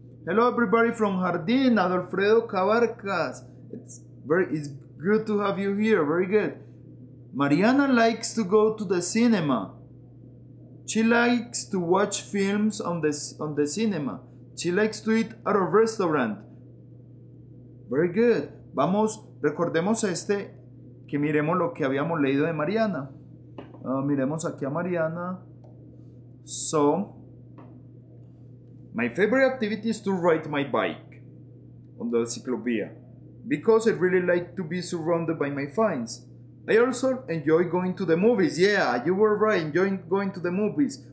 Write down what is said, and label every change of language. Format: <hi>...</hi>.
<en>Hello everybody from Jardín, Adolfredo Cabarcas. It's good to have you here, very good. Mariana likes to go to the cinema. She likes to watch films on the cinema. She likes to eat at a restaurant. Very good.</en> <es>Vamos, recordemos este, que miremos lo que habíamos leído de Mariana. Miremos aquí a Mariana.</es> <en>So, my favorite activity is to ride my bike on the ciclovía because I really like to be surrounded by my friends. I also enjoy going to the movies. Yeah, you were right, enjoying going to the movies.</en>